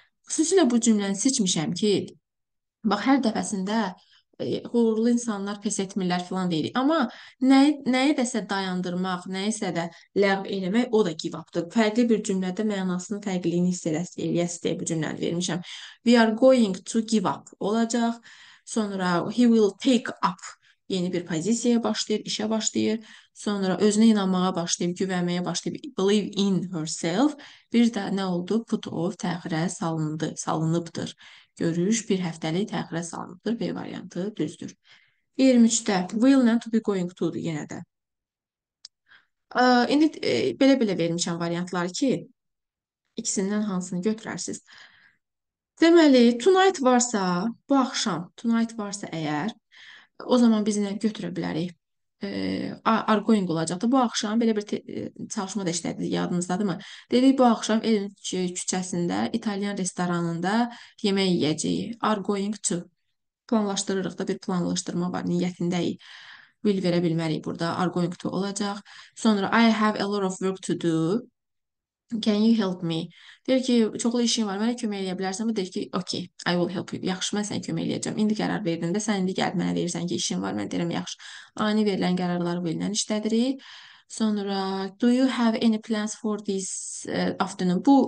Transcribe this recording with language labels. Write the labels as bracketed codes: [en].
[az] Xüsusilə bu cümləni seçmişəm ki, bax, hər dəfəsində uğurlu insanlar pes etmirlər falan deyirik. Amma nəyi dəsə dayandırmaq, nəyisə də ləğv eləmək, o da give up-dır. Fərqli bir cümlədə mənasının fərqliliyini hiss eləyəsi deyə bu cümləni vermişəm. [en] We are going to give up [az] olacaq. Sonra [en] he will take up [az] yeni bir pozisiyaya başlayır, işə başlayır. Sonra özünə inanmağa başlayıb, güvənməyə başlayıb, [en] believe in herself. [az] Bir də nə oldu? [en] Put off, [az] təxirə salındı, salınıbdır. Görüş bir həftəlik təxirə salınıbdır. B variantı düzdür. 23-də [en] will and to be going to- [az] dur yenə də. İndi belə-belə vermişəm variantlar ki, ikisindən hansını götürərsiniz. Deməli, tonight varsa, bu axşam tonight varsa əgər, o zaman biz nə götürə bilərik? [en] Are going [az] olacaqdır. Bu axşam belə bir çalışma da işlədik, yadınızdadır mı? Dedik, bu axşam Elm küçəsində, İtalyan restoranında yemək yiyəcəyik. [en] Are going to. [az] Planlaşdırırıq da, bir planlaşdırma var, niyyətindəyik. [en] Will [az] verə bilmərik burada. [en] Are going to [az] olacaq. Sonra [en] I have a lot of work to do. Can you help me? [az] Deyir ki, çoxlu işin var, mənə kömək eləyə bilərsən. Bu deyir ki, [en] okay, I will help you. [az] Yaxşı, mən sənə kömək eləyəcəm. İndi qərar verdim də, sən indi gəl mənə deyirsən ki, işin var. Mən deyirəm, yaxşı. Ani verilən qərarları belə işlədirik. [en] Sonra, do you have any plans for this afternoon?